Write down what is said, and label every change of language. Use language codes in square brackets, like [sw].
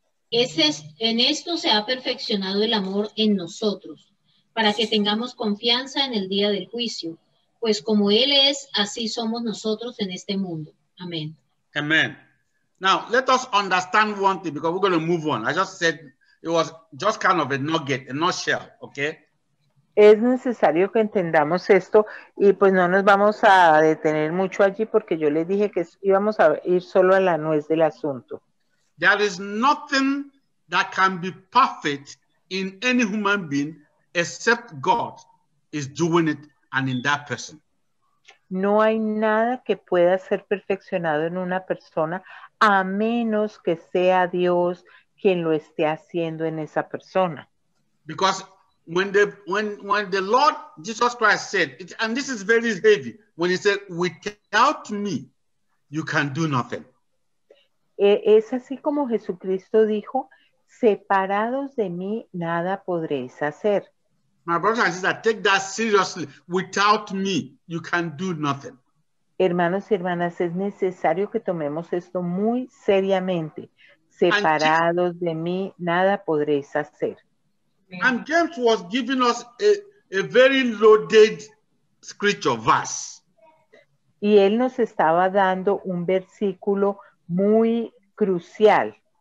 [es] En esto se ha perfeccionado el amor en nosotros, para que tengamos confianza en el día del juicio, pues como Él es, así somos nosotros en este mundo. Amén. Amén. [en] Now, let us understand one thing, because we're going to move on. I just said it was just kind of a nugget, a nutshell, okay? [es] Es necesario que entendamos esto, y pues no nos vamos a detener mucho allí, porque yo les dije que íbamos a ir solo a la nuez del asunto. [en] There is nothing that can be perfect in any human being except God is doing it and in that person. [es] No hay nada que pueda ser perfeccionado en una persona a menos que sea Dios quien lo esté haciendo en esa persona. [en] Because when the Lord Jesus Christ said, and this is very heavy, when he said, without me, you can do nothing. [es] Es así como Jesucristo dijo, separados de mí, nada podréis hacer. [en] My brothers and sisters, take that seriously. Without me, you can do nothing. [es] Hermanos y hermanas, es necesario que tomemos esto muy seriamente. Separados de mí, nada podréis hacer. [en] And James was giving us a very loaded scripture verse. [es] Y él nos estaba dando un versículo muy crucial.